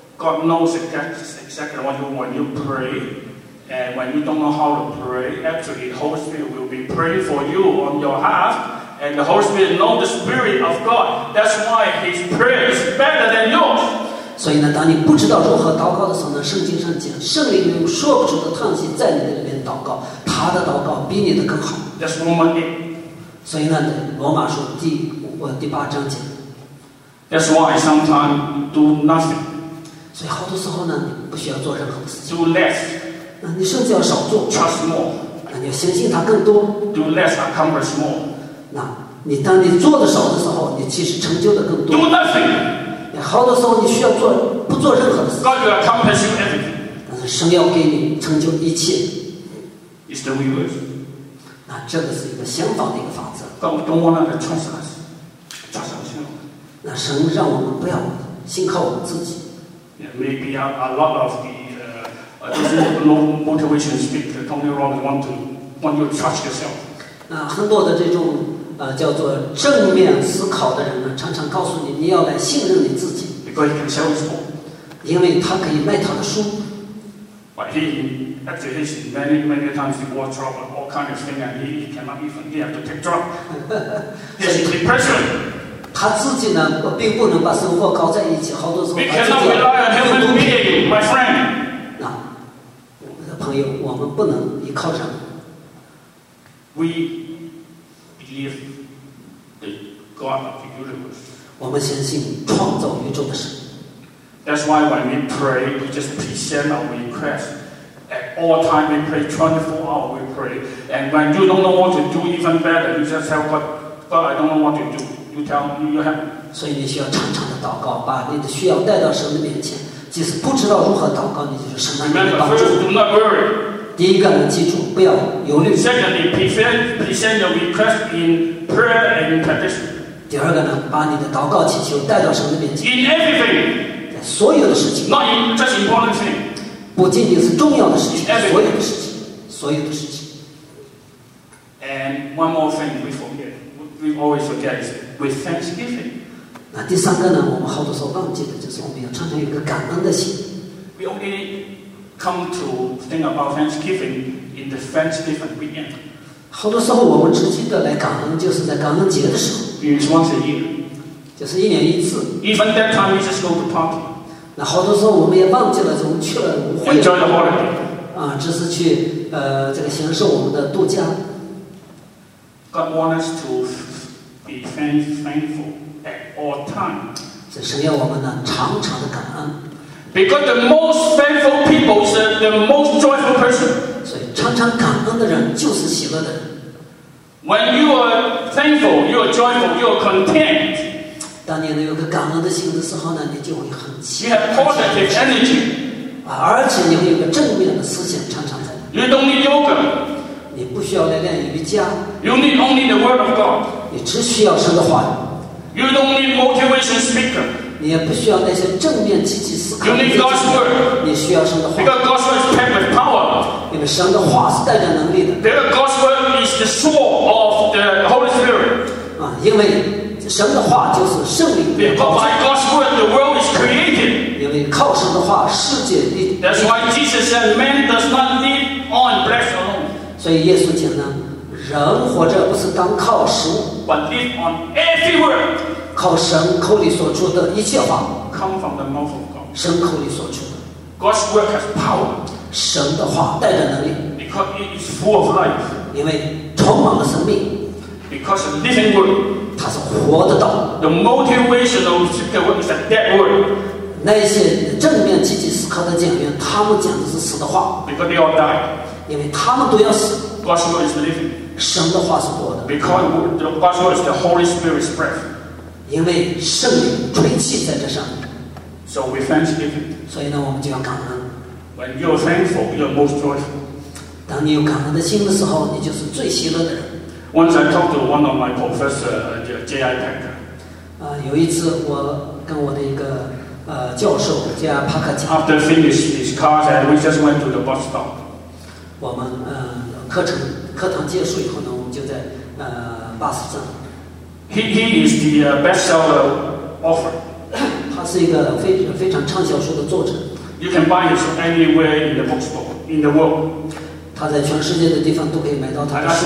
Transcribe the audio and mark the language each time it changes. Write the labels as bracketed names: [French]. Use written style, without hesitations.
[English] God knows exactly what you want. When you pray, and when you don't know how to pray, actually the Holy Spirit will be praying for you on your behalf, and the Holy Spirit knows the Spirit of God. That's why His prayer is better than yours. [Chinese] 所以呢，当你不知道如何祷告的时候呢，圣经上讲，圣灵用说不出的叹息在你的里面祷告，他的祷告比你的更好。 [English] That's Romans 8. [Chinese] 所以呢，罗马书第五第八章讲。 [English] That's why sometimes do nothing. [Chinese] 所以好多时候呢，你不需要做任何事情。 [English] Do less. [Chinese] 那你甚至要少做。 [English] Trust more. [Chinese] 那你要相信他更多。 [English] Do less, accomplish more. [Chinese] 那你当你做的少的时候，你其实成就的更多。 [English] Do nothing. [Chinese] 那好多时候你需要做不做任何的事。 [English] God will accomplish everything. [Chinese] 但是神要给你成就一切。 [English] It's the reverse. [Chinese] 那这个是一个相反的一个法则。 [English] God don't want to trust us. Trust us. [Chinese] 那神让我们不要信靠我们自己。 [English] Maybe a lot of the motivation speaker Tony Robbins want you to trust yourself. [Chinese] 那很多的这种叫做正面思考的人呢，常常告诉你，你要来信任你自己。 [English] Because he can sell his book. [Chinese] 因为他可以卖他的书。 [English] But he, after his many many times he was trouble, all kind of thing, and he cannot even he have to take drug. He's in depression. [Chinese] 他自己呢，我并不能把生活搞在一起，好多时候他自己有毒品。 [English] My friend， [Chinese] 那我们的朋友，我们不能依靠上。 [English] We believe the God of the universe。 [Chinese] 我们相信创造宇宙的神。 [English] That's why when we pray, we just present our request. At all time we pray, 24 hours we pray. And when you don't know what to do, even better, you just tell God, God, I don't know what to do. You tell you have. [Chinese] 所以你需要常常的祷告，把你的需要带到神的面前。即使不知道如何祷告，你就是神的帮助。 [English] Remember, first, do not worry. [Chinese] 第一个呢，记住不要忧虑。 [English] Secondly, present your request in prayer and in petition. [Chinese] 第二个呢，把你的祷告祈求带到神的面前。 [English] In everything. [Chinese] 在所有的事情。 [English] Not in just important thing. [Chinese] 不仅仅是重要的事情，所有的事情，所有的事情。 [English] And one more thing we forget, we always forget is. With thanksgiving. [Chinese] 那第三个呢？我们好多时候忘记的，就是我们要常常有一个感恩的心。 [English] We only come to think about thanksgiving in the Thanksgiving weekend. [Chinese] 好多时候我们直接的来感恩，就是在感恩节的时候。 [English] It's once a year. [Chinese] 就是一年一次。 [English] Even that time, we just go to party. [Chinese] 那好多时候我们也忘记了，我们去了舞会。 [English] Enjoy the holiday. [Chinese] 啊，只是去这个享受我们的度假。 [English] God wants us to. Be thankful at all times. [Chinese] 这是要我们呢常常的感恩。 [English] Because the most thankful people is the most joyful person. [Chinese] 所以常常感恩的人就是喜乐的人。 [English] When you are thankful, you are joyful, you are content. [Chinese] 当你能有个感恩的心的时候呢，你就会很喜乐。 [English] You have positive energy. [Chinese] 而且你会有个正面的思想，常常在。 [English] You don't need yoga. [Chinese] 你不需要来练瑜伽。 [English] You need only the word of God. [Chinese] 你只需要神的话语。 [English] You don't need motivation speaker. [Chinese] 你也不需要那些正面积极思考。 [English] You need God's word. [Chinese] 你需要神的话。 [English] Because God's word is packed with power. [Chinese] 因为神的话是带着能力的。 [English] Because God's word is the sword of the Holy Spirit. [Chinese] 啊，因为神的话就是圣灵的宝剑。 [English] By God's word, the world is created. [Chinese] 因为靠神的话，世界立。 [English] That's why Jesus said, "Man does not live on bread alone." [Chinese] 所以耶稣讲呢。人活着不是单靠食物 [English] ，but live on every word， [Chinese] 靠神口里所出的一切话 [English] ，come from the mouth of God， [Chinese] 神口里所出的 [English] ，God's word has power， [Chinese] 神的话带着能力 [English] ，because it is full of life， [Chinese] 因为充满了生命 [English] ，because a living word， [Chinese] 它是活的道 [English] ，the motivation of the word is a dead word。 [Chinese] 那些正面积极思考的讲员，他们讲的是死的话 [English] ，because they all die， [Chinese] 因为他们都要死。 [English] God's word is living， [Chinese] 神的话是活的。 [English] Because God's word is the Holy Spirit's breath， [Chinese] 因为圣灵吹气在这上面。 [English] So we thanksgiving， [Chinese] 所以呢，我们就要感恩。 [English] When you're thankful, you're most joyful。 [Chinese] 当你有感恩的心的时候，你就是最喜乐的人。 [English] Once I talked to one of my professor, J.I. Packer。 [Chinese] 有一次我跟我的一个教授J.I. Packer讲。 [English] After finished his class, and we just went to the bus stop。 [Chinese] 我们课堂结束以后呢，我们就在巴士站。 [English] He is the bestseller author。 [Chinese] 他是一个非常畅销书的作者。 [English] You can buy it anywhere in the bookstore in the world。 [Chinese] 他在全世界的地方都可以买到他的书。